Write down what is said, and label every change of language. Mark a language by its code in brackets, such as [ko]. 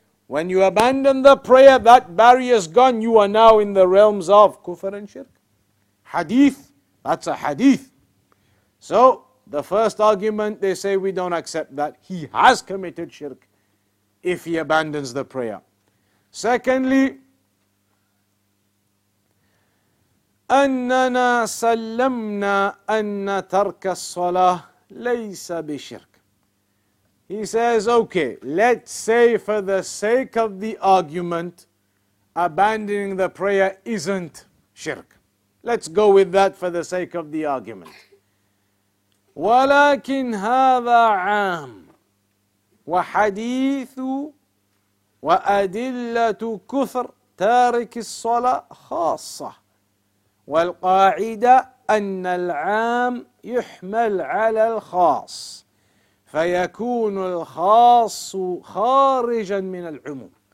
[en] When you abandon the prayer, that barrier is gone. You are now in the realms of kufr and shirk. Hadith, that's a hadith. So, the first argument, they say, we don't accept that. He has committed shirk if he abandons the prayer. [ar] Secondly, أَنَّنَا سَلَّمْنَا أَنَّ تَرْكَ الصَّلَاةِ لَيْسَ بِشِرْكِ. [en] He says, okay, let's say for the sake of the argument, abandoning the prayer isn't shirk. Let's go with that for the sake of the argument. [ar] وَلَكِنْ هَذَا عَامٌ وَحَدِيثُ وَأَدِلَّةُ كُفْرْ تَارِكِ الصَّلَاةِ خَاصَّةِ وَالْقَاعِدَةُ أَنَّ الْعَامُ يُحْمَلْ عَلَى الْخَاصِ فيكون الخاص خارجا من العموم.